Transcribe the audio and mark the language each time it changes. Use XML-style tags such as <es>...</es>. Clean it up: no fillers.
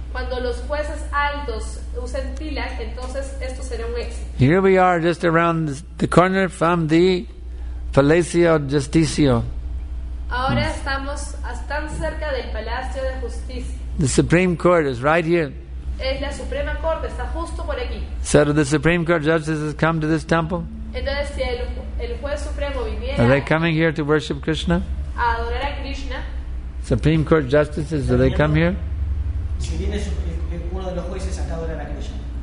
<es>Cuando los jueces altos usen tilak, entonces esto será un éxito.</es> <en>Here we are just around the corner from the Palacio Justicio.</en> <es>Ahora estamos tan cerca del Palacio de Justicia.</es> <en>The Supreme Court is right here.</en> <es>Es la Suprema Corte, está justo por aquí.</es> <en>So do the Supreme Court judges has come to this temple?</en> <es>Entonces, si el juez supremo viniera,</es> <en>are they coming here to worship Krishna?</en> <es>A adorar a Krishna.</es> <en>Supreme Court justices, do they come here?</en> <es>Si viene uno de los jueces acá a adorar a Krishna.</es>